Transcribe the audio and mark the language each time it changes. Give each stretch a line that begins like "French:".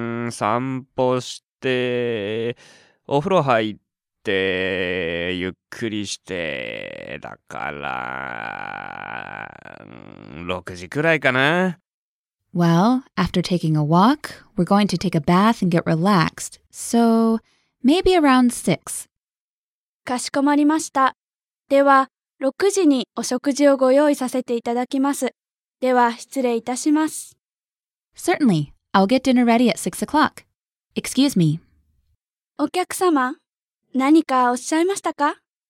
Japanese: 散歩して、お風呂入って、ゆっくりして、だから、6時くらいかな。
English: Well, after taking a walk, we're going to take a bath and get relaxed, so... Maybe around 6.
Japanese: かしこまりました。では、6時にお食事をご用意させていただきます。では、失礼いたします。
English: Certainly. I'll get dinner ready at 6 o'clock. Excuse me.
Japanese: お客様、何かおっしゃいましたか?